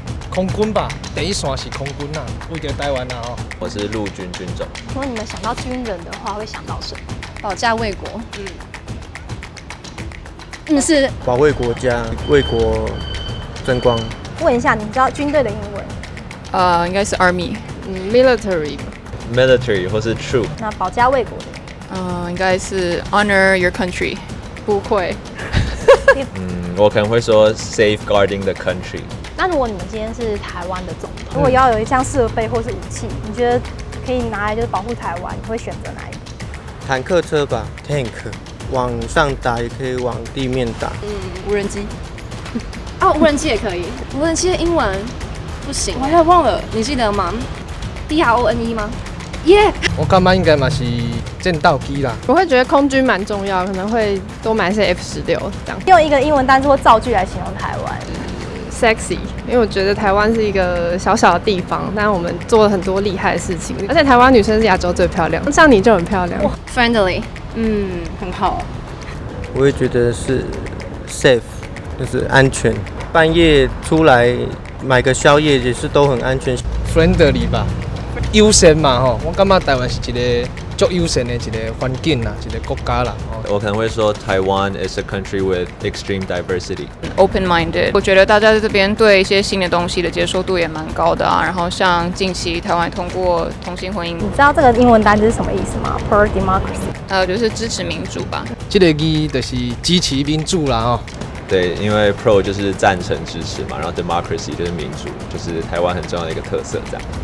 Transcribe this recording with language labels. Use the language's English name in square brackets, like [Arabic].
[Chinese] 空军吧，第一线是空军啊，不一定台湾啊、哦、我是陆军军长。如果你们想到军人的话，会想到什么？保家卫国。是保卫国家，为国争光。问一下，你知道军队的英文？应该是 army， military， [English] military 或是 troop。 [Chinese] 那保家卫国的？应该是 [English] honor your country， [Chinese] 不会。我可能会说 [English] safeguarding the country。 [Chinese] 那如果你今天是台湾的总统，如果要有一项设备或是武器，你觉得可以拿来就是保护台湾，你会选择哪一个？坦克车吧 ，tank。往上打也可以往地面打。无人机。哦，无人机也可以。无人机的英文不行，我还忘了，你记得吗 ？drone 吗？耶、yeah! ！我感觉应该嘛是战斗机啦。我会觉得空军蛮重要，可能会多买一些 F-16 这样。用一个英文单词或造句来形容台湾。 sexy， 因为我觉得台湾是一个小小的地方，但我们做了很多厉害的事情，而且台湾女生是亚洲最漂亮，像你就很漂亮。 friendly， 很好。我也觉得是 safe， 就是安全。半夜出来买个宵夜也是都很安全。 friendly 吧，优先嘛吼，我感觉台湾是一个足优先的一个环境啦，一个国家啦。我可能会说 [English] Taiwan is a country with extreme diversity. Open-minded. [Chinese] 我觉得大家在这边对一些新的东西的接受度也蛮高的啊。然后像近期台湾通过同性婚姻，你知道这个英文单字是什么意思吗？ [English] Pro democracy. [Chinese] 就是支持民主吧。这个字就是支持民主啦哦。对，因为 pro 就是赞成支持嘛，然后 democracy 就是民主，就是台湾很重要的一个特色这样。